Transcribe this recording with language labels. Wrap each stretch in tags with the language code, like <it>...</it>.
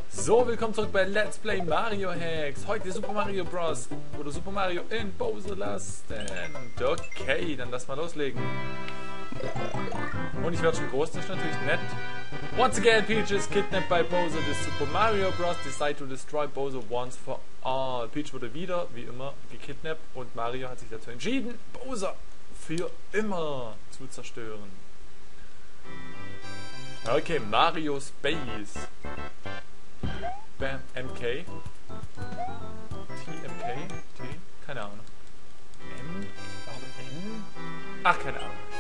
<de>So, willkommen zurück bei Let's Play Mario Hacks. Heute Super Mario Bros. Oder Super Mario in Bowser Land. Okay, dann lass mal loslegen. Und ich werde schon groß, das ist natürlich nett.</de> <en>Once again, Peach is kidnapped by Bowser. The Super Mario Bros. Decide to destroy Bowser once for all.</en> <de>Peach wurde wieder, wie immer, gekidnappt. Und Mario hat sich dazu entschieden, Bowser für immer zu zerstören. Okay, Mario Space. Bam, MK. TMK? T? Keine Ahnung. M? Warum M? Ach, keine Ahnung.</de>